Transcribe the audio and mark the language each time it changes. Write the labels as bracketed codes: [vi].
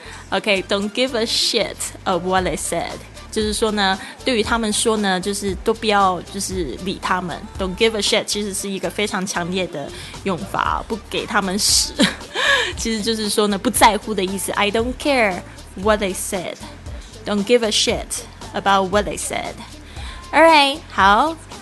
[en] OK, don't give a shit of what they said. [zh] 就是说呢，对于他们说呢，就是都不要就是理他们。 Don't give a shit 其实是一个非常强烈的用法，不给他们屎。其实就是说呢，不在乎的意思。 [en] I don't care what they said. Don't give a shit about what they said. All right, 好。